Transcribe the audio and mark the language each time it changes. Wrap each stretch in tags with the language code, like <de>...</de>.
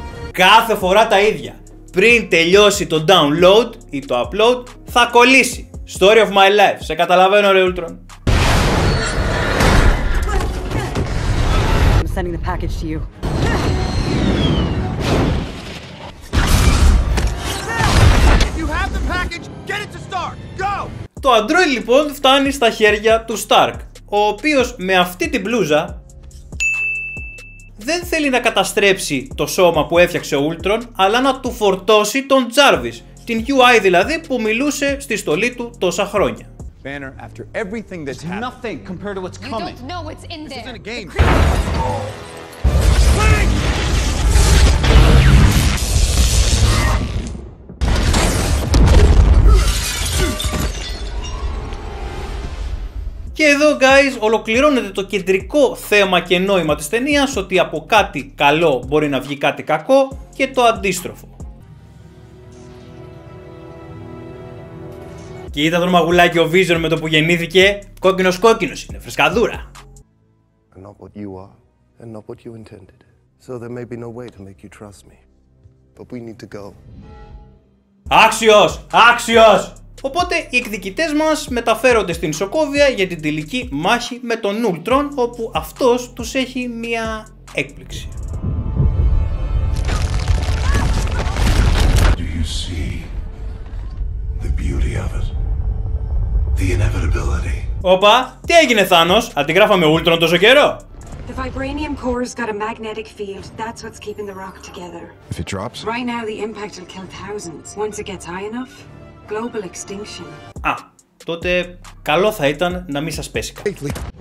<el>Κάθε φορά τα ίδια. Πριν τελειώσει το download ή το upload, θα κολλήσει.</el> <en>Story of my life.</en> <el>Σε καταλαβαίνω ρε Ultron.</el> <en>sending the package to you. If you have the package, get it to Stark. Go!</en> <el>Το Android λοιπόν φτάνει στα χέρια του Stark, ο οποίος με αυτή την μπλούζα δεν θέλει να καταστρέψει το σώμα που έφτιαξε ο Ultron, αλλά να του φορτώσει τον Jarvis, την UI δηλαδή που μιλούσε στη στολή του τόσα χρόνια.</el> <en>Banner, after everything that's happened, nothing compared to what's coming. You don't know what's in there. This isn't a game.</en> <el>Και εδώ, guys, ολοκληρώνεται το κεντρικό θέμα και νόημα της ταινίας, ότι από κάτι καλό μπορεί να βγει κάτι κακό και το αντίστροφο. Κοίτα τον μαγουλάκι ο Vision με το που γεννήθηκε. Κόκκινος κόκκινος είναι, φρεσκαδούρα.</el> <en>I'm not what you are, and not what you intended. So there may be no way to make you trust me. But we need to go.</en> <el>Άξιος! Άξιος! Οπότε οι εκδικητές μας μεταφέρονται στην Σοκόβια για την τελική μάχη με τον Ultron, όπου αυτός τους έχει μία έκπληξη.</el> <en>Do you see the beauty of it? The inevitability.</en> <el>Οπα, τι έγινε Θάνος, αντιγράφαμε Ultron τόσο καιρό?</el> <en>The vibranium core's got a magnetic field. That's what's keeping the rock together. If it drops? Right now the impact will kill thousands. Once it gets high enough, global extinction.</en> <el>Α, τότε καλό θα ήταν να μην σας πέσει κάτι.</el>